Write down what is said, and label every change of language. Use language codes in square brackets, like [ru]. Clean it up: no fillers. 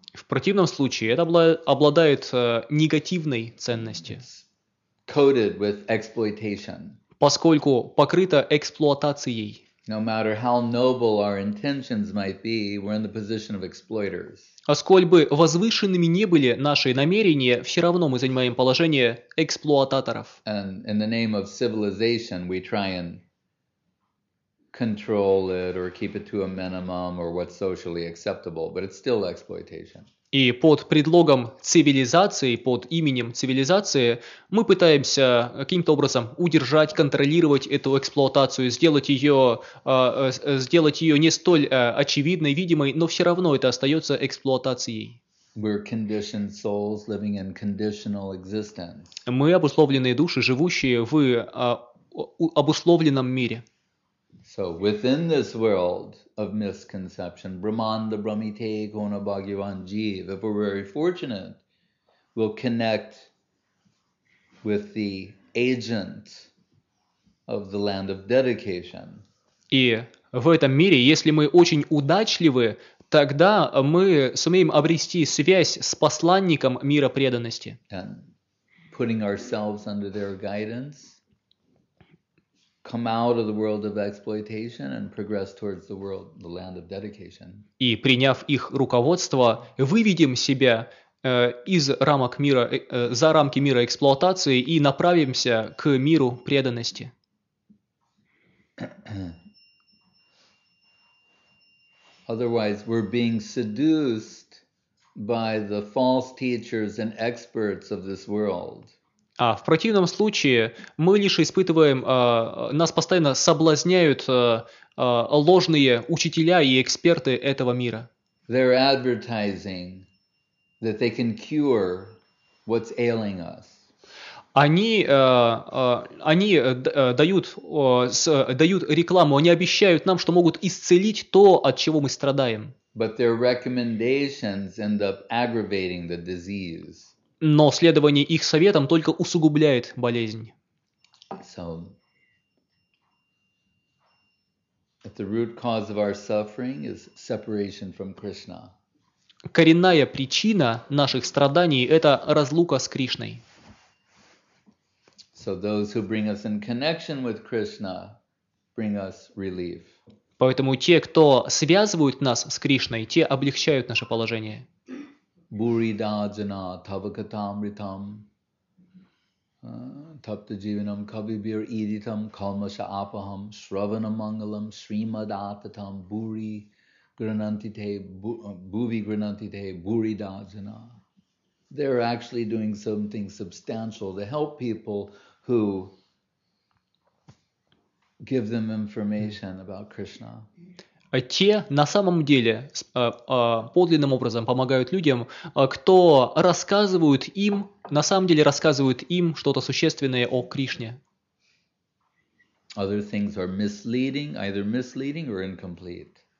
[ru] В противном случае это обладает негативной ценностью. [en] Coated with exploitation. [ru] Поскольку покрыто эксплуатацией. [en] No matter how noble our intentions might be, we're in the position of exploiters. [ru] А сколь бы возвышенными не были наши намерения, все равно мы занимаем положение эксплуататоров. [en] And in the name of civilization, we try and control it or keep it to a minimum or what's socially acceptable, but it's still exploitation. [ru] И под предлогом цивилизации, под именем цивилизации, мы пытаемся каким-то образом удержать, контролировать эту эксплуатацию, сделать ее не столь очевидной, видимой, но все равно это остается эксплуатацией. [en] We're conditioned souls living in conditional existence. [ru] Мы обусловленные души, живущие в обусловленном мире. [en] So within this world of misconception, Brahman, the Brahmite, Kona, Bhagavan, Jeev, if we're very fortunate, we'll connect with the agent of the land of dedication. [ru] И в этом мире, если мы очень удачливы, тогда мы сумеем обрести связь с посланником мира преданности. [en] And putting ourselves under their guidance. Come out of the world of exploitation and progress towards the world, the land of dedication. [ru] И приняв их руководство, выведем себя из рамок мира, за рамки мира эксплуатации и направимся к миру преданности. [en] Otherwise, we're being seduced by the false teachers and experts of this world. [ru] А в противном случае мы лишь испытываем, нас постоянно соблазняют ложные учителя и эксперты этого мира. [en] They're advertising that they can cure what's ailing us. [ru] Они дают рекламу, они обещают нам, что могут исцелить то, от чего мы страдаем. [en] But their recommendations end up aggravating the disease. [ru] Но следование их советам только усугубляет болезнь. [en] So, if the root cause of our suffering is separation from Krishna. [ru] Коренная причина наших страданий – это разлука с Кришной. [en] So those who bring us in connection with Krishna bring us relief. [ru] Поэтому те, кто связывают нас с Кришной, те облегчают наше положение. [sa] Бурида джана тавакатам ритам тапта дживинам кавибир идитам калмаша апахам шравана мангалам шримад ататам бури гранантите буви гранантите бурида джана. [en] They're actually doing something substantial to help people who give them information about Krishna. [ru] Те на самом деле подлинным образом помогают людям, кто рассказывают им, на самом деле рассказывают им что-то существенное о Кришне. [en] Other things are misleading, either misleading or incomplete.